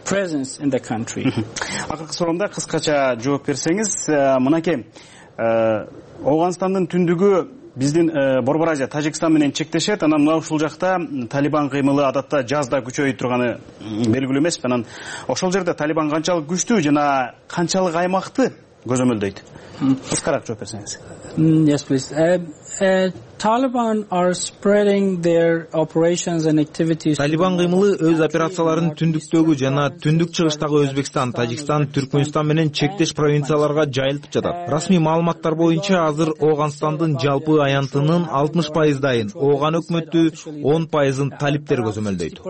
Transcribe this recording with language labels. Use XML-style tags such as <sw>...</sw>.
<ky>Акыркы суроомда кыскача жооп берсеңиз, мынакей, Оогандын түндүгү биздин Борбор Азия Тажикстан менен чектешет, анан мына ушул жакта талибан кыймылы адатта жазда күчөйүп турганы белгилүү эмеспи? Анан ошол жерде талибан канчалык күчтүү жана канчалык аймакты көзөмөлдөйт? Кыскараак жооп берсеңиз.</ky> <en>Yes, please. Taliban are spreading their operations and activities.</en> <ky>Талибан кыймылы өз операцияларын түндүктөгү жана түндүк чыгыштагы Өзбекстан, Тажикстан, Түркмөнстан менен чектеш провинцияларга жайылтып жатат. Расмий маалыматтар боюнча азыр Оогандын жалпы аянтынын 60% ооган өкмөтү, 10% талиптер көзөмөлдөйт.</ky>